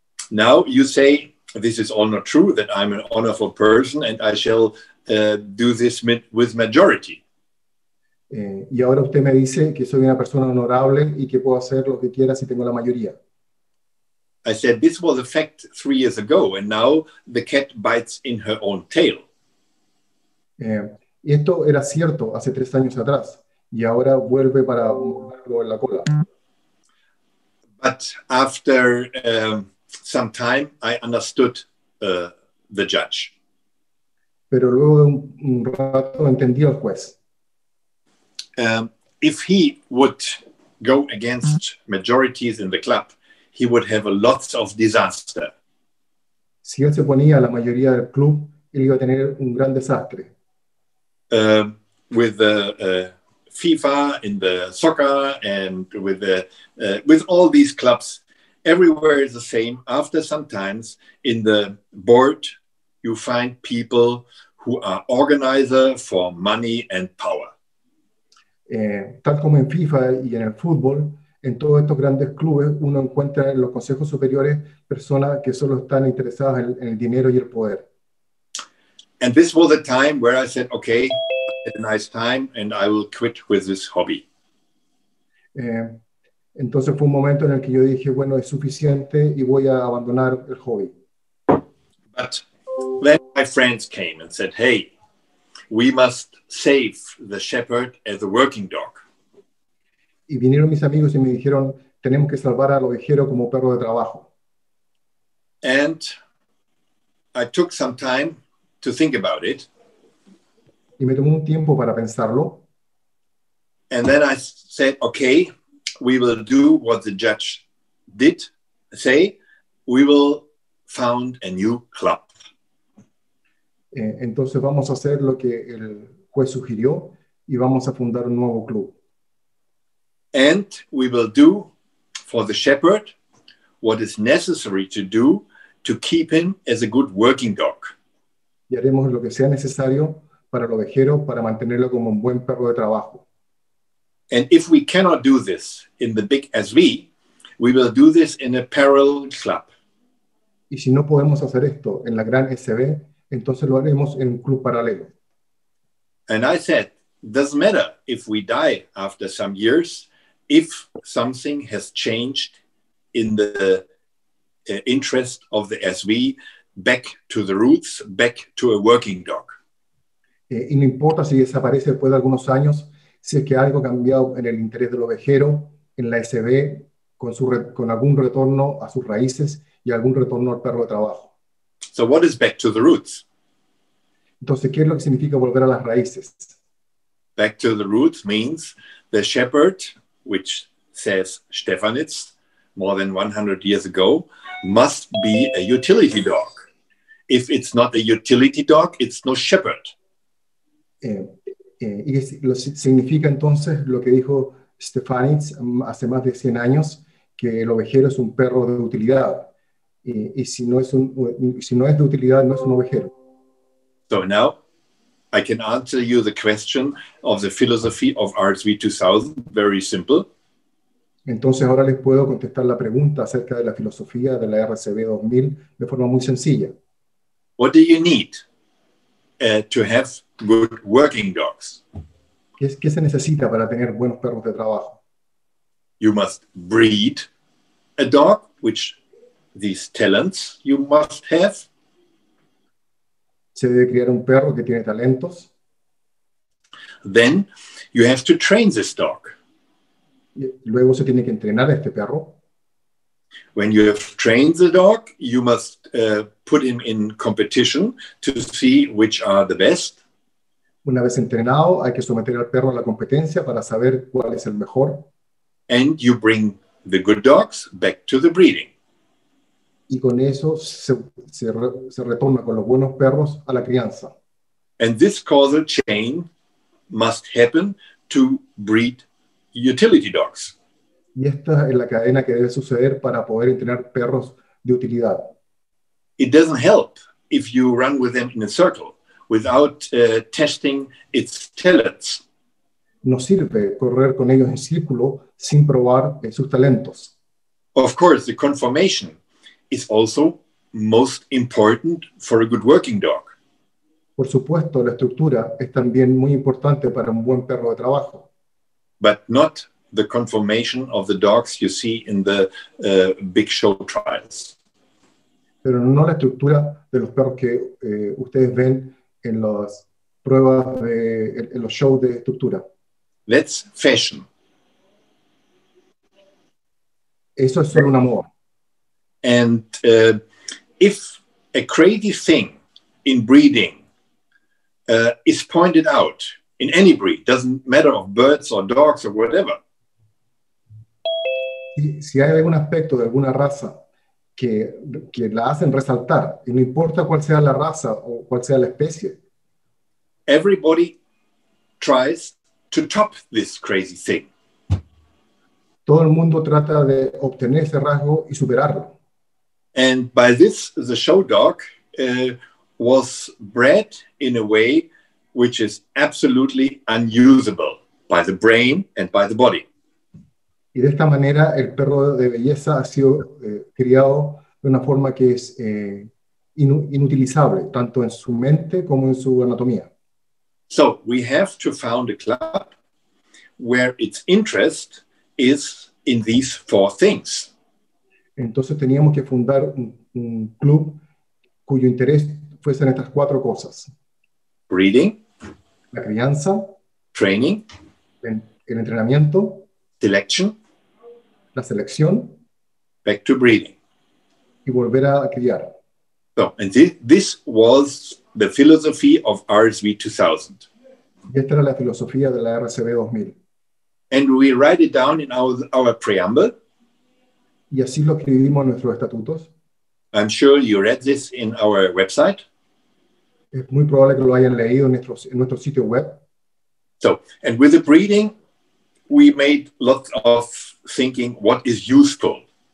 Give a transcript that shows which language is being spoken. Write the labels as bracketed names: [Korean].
[English] Now you say this is all not true, that I'm an honorable person and I shall. Do this with majority. [Spanish] Y ahora usted me dice que soy una persona honorable y que puedo hacer lo que quiera si tengo la mayoría. [English] I said this was a fact 3 years ago, and now the cat bites in her own tail. [Spanish] Y esto era cierto hace 3 años atrás y ahora vuelve para morderlo en la cola. [English] But after some time, I understood the judge. [Spanish] Pero luego de un rato entendí al juez. [English] If he would go against majorities in the club, he would have a lot of disaster. [Spanish] Si él se ponía a la mayoría del club, él iba a tener un gran desastre. [English] With the FIFA in the soccer and with all these clubs, everywhere is the same. After some times in the board, you find people who are organizers for money and power. [Spanish] Tal como en FIFA y en el fútbol, en todos estos grandes clubes uno encuentra en los consejos superiores personas que solo están interesadas en el dinero y el poder. [English] And this was the time where I said, okay, I had a nice time and I will quit with this hobby. [Spanish] Entonces fue un momento en el que yo dije, bueno, es suficiente y voy a abandonar el hobby. [English] But then my friends came and said, hey, we must save the shepherd as a working dog. [Spanish] Y vinieron mis amigos y me dijeron, tenemos que salvar al ovejero como perro de trabajo. [English] And I took some time to think about it. [Spanish] Y me tomó un tiempo para pensarlo. [English] And then I said, okay, we will do what the judge did say. We will found a new club. [Spanish] Entonces vamos a hacer lo que el juez sugirió y vamos a fundar un nuevo club. [English] And we will do for the shepherd what is necessary to do to keep him as a good working dog. [Spanish] Y haremos lo que sea necesario para el ovejero para mantenerlo como un buen perro de trabajo. [English] And if we cannot do this in the big SV, we will do this in a parallel club. [Spanish] Y si no podemos hacer esto en la gran SV, entonces lo haremos en un club paralelo. [English] And I said, doesn't matter if we die after some years, if something has changed in the interest of the SV, back to the roots, back to a working dog. [Spanish] Y no importa si desaparece después de algunos años, si es que algo ha cambiado en el interés del ovejero, en la SV, con algún retorno a sus raíces y algún retorno al perro de trabajo. [English] So what is back to the roots? [Spanish] Entonces, ¿qué es lo que significa volver a las raíces? [English] Back to the roots means the shepherd, which says Stefanitz, more than 100 years ago, must be a utility dog. If it's not a utility dog, it's no shepherd. [Spanish] Y lo significa entonces lo que dijo Stefanitz hace más de 100 años, que el ovejero es un perro de utilidad. Y si no es de utilidad, no es un ovejero. [English] So now I can answer you the question of the philosophy of RSV 2000, very simple. [Spanish] Entonces ahora les puedo contestar la pregunta acerca de la filosofía de la RSV 2000 de forma muy sencilla. [English] What do you need to have good working dogs? [Spanish] ¿Qué se necesita para tener buenos perros de trabajo? [English] You must breed a dog, which these talents you must have. [Spanish] Se debe criar un perro que tiene talentos. [English] Then you have to train this dog. [Spanish] Y luego se tiene que entrenar a este perro. [English] When you have trained the dog, you must put him in competition to see which are the best. [Spanish] Una vez entrenado, hay que someter al perro a la competencia para saber cuál es el mejor. [English] And you bring the good dogs back to the breeding. [Spanish] Y con eso se retorna con los buenos perros a la crianza. [English] And this causal chain must happen to breed utility dogs. [Spanish] Y esta es la cadena que debe suceder para poder entrenar perros de utilidad. [English] It doesn't help if you run with them in a circle without testing its talents. [Spanish] No sirve correr con ellos en círculo sin probar sus talentos. [English] Of course, the conformation is also most important for a good working dog. [Spanish] Por supuesto, la estructura es también muy importante para un buen perro de trabajo. [English] But not the conformation of the dogs you see in the big show trials. [Spanish] Pero no la estructura de los perros que ustedes ven en las pruebas en los shows de estructura. [English] That's fashion. [Spanish] Eso es solo una moda. [English] And if a crazy thing in breeding is pointed out in any breed, doesn't matter of birds or dogs or whatever. [Spanish] Si hay algún aspecto de alguna raza que la hacen resaltar, y no importa cuál sea la raza o cuál sea la especie, [English] everybody tries to top this crazy thing. [Spanish] Todo el mundo trata de obtener ese rasgo y superarlo. [English] And by this, the show dog was bred in a way which is absolutely unusable by the brain and by the body. [Spanish] Y de esta manera el perro de belleza ha sido criado de una forma que es inutilizable, tanto en su mente como en su anatomía. [English] So we have to found a club where its interest is in these four things. [Spanish] Entonces teníamos que fundar un club cuyo interés fuese en estas cuatro cosas. [English] Breeding. [Spanish] La crianza. [English] Training. [Spanish] El entrenamiento. [English] Selection. [Spanish] La selección. [English] Back to breeding. [Spanish] Y volver a criar. [English] So, and this was the philosophy of RSV 2000. [Spanish] Y esta era la filosofía de la RSV 2000. [English] And we write it down in our preamble. [Spanish] Y así lo escribimos en nuestros estatutos. [English] I'm sure you read this in our website. [Spanish] Es muy probable que lo hayan leído en nuestro sitio web. [English] So, and with the breeding, we made lots of thinking what is useful.